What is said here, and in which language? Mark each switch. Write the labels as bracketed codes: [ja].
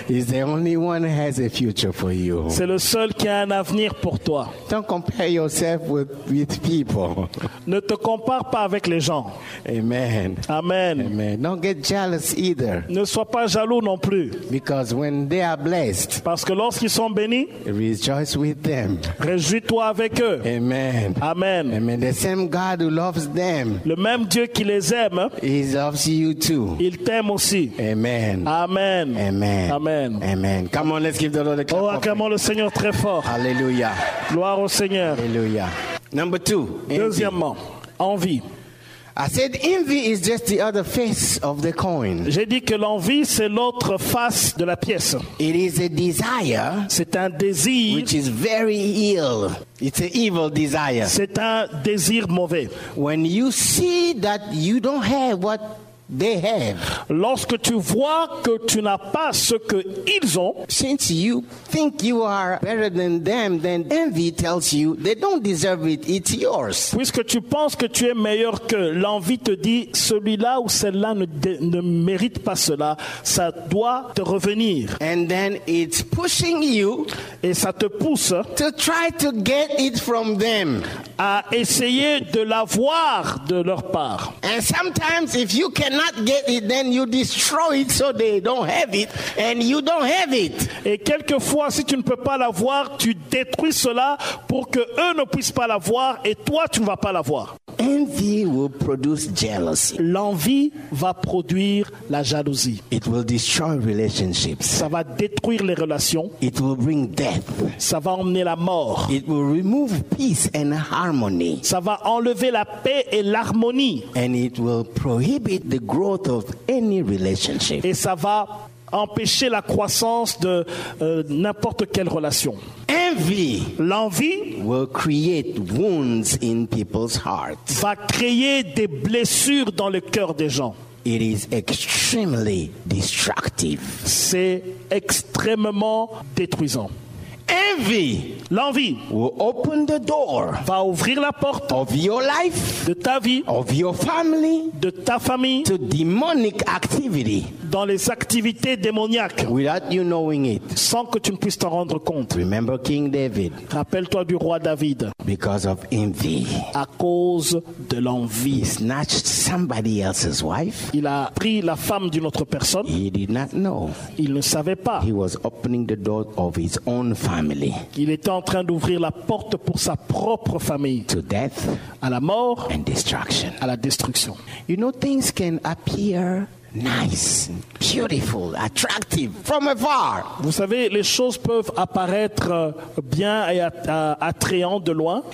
[en] He's the only one who has a future for you. [fr] C'est le seul qui a un avenir pour toi. [en] Don't compare yourself with people. [fr] Ne te compare pas avec les gens. [en] Amen. Amen. Amen. Don't get jealous either. [fr] Ne sois pas jaloux non plus. [en] Because when they are blessed, [fr] parce que lorsqu'ils sont bénis, [en] rejoice with them. [fr] Réjouis-toi avec eux. [en] Amen. Amen. Amen. The same God who loves them, [fr] le même Dieu qui les aime, [en] he loves you too. [fr] Il t'aime aussi. [en] Amen. Amen. Amen. Amen. Amen. Come on, let's give the Lord a clap. [fr] Oh, acclamons le Seigneur très fort. [en] Hallelujah. [fr] Gloire au Seigneur. [en] Hallelujah. Number two. [fr] Deuxièmement, envie. [en] I said envy is just the other face of the coin. [fr] J'ai dit que l'envie c'est l'autre face de la pièce. [en] It is a desire. [fr] C'est un désir. [en] Which is very ill. It's an evil desire. [fr] C'est un désir mauvais. [en] When you see that you don't have what they have. [fr] Lorsque tu vois que tu n'as pas ce que ils ont, [en] since you think you are better than them, then envy tells you they don't deserve it. It's yours. [fr] Puisque tu penses que tu es meilleur que l'envie te dit celui-là ou celle-là ne mérite pas cela, ça doit te revenir. [en] And then it's pushing you. [fr] Et ça te pousse [en] to try to get it from them. [fr] À essayer de l'avoir de leur part. [en] And sometimes if you can not get it, then you destroy it so they don't have it, and you don't have it. [fr] Et quelquefois, si tu ne peux pas l'avoir, tu détruis cela pour que eux ne puissent pas l'avoir et toi tu ne vas pas l'avoir. [en] Envy will produce jealousy. [fr] L'envie va produire la jalousie. [en] It will destroy relationships. [fr] Ça va détruire les relations. [en] It will bring death. [fr] Ça va emmener la mort. [en] It will remove peace and harmony. [fr] Ça va enlever la paix et l'harmonie. [en] And it will prohibit the growth of any relationship. [fr] Et ça va empêcher la croissance de n'importe quelle relation. [en] Envy, [fr] l'envie, [en] will create wounds in people's hearts. [fr] Va créer des blessures dans le cœur des gens. [en] It is extremely destructive. [fr] C'est extrêmement détruisant. [en] Envy, [fr] l'envie, [en] will open the door, [fr] va ouvrir la porte, [en] of your life, [fr] de ta vie, [en] of your family, [fr] de ta famille, [en] to demonic activity, [fr] dans les activités démoniaques, [en] without you knowing it, [fr] sans que tu ne puisses t'en rendre compte. [en] Remember King David, [fr] rappelle-toi du roi David, [en] because of envy, [fr] à cause de l'envie, [en] he snatched somebody else's wife, [fr] il a pris la femme d'une autre personne, [en] he did not know, [fr] il ne savait pas, [en] he was opening the door of his own family. [fr] Il était en train d'ouvrir la porte pour sa propre famille. [en] To death, [fr] à la mort, [en] and destruction, [fr] à la destruction. [en] You know, things can appear nice, beautiful, attractive from afar. [fr] Vous savez, les choses peuvent apparaître bien et attrayant de loin.